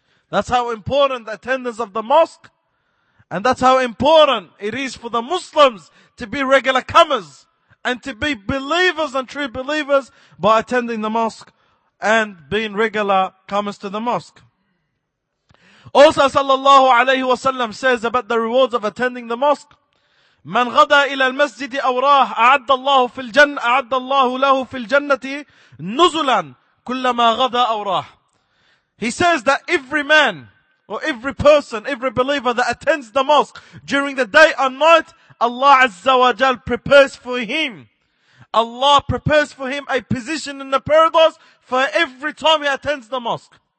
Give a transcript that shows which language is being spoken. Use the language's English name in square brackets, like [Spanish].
[English] That's how important the attendance of the mosque, and that's how important it is for the Muslims to be regular comers and to be believers and true believers by attending the mosque and being regular comers to the mosque. Also, sallallahu alayhi wa sallam says about the rewards of attending the mosque, [Arabic] مَنْ غَدَى إِلَى الْمَسْجِدِ أَوْرَاهُ أَعَدَّ اللَّهُ فِي الْجَنَّةِ أَعَدَّ اللَّهُ لَهُ فِي الْجَنَّةِ نُزُلًا كُلَّمَا غَدَى أَوْرَاهُ. [English] He says that every man or every person, every believer that attends the mosque during the day and night, Allah Azza wa Jal prepares for him. Allah prepares for him a position in the paradise for every time he attends the mosque.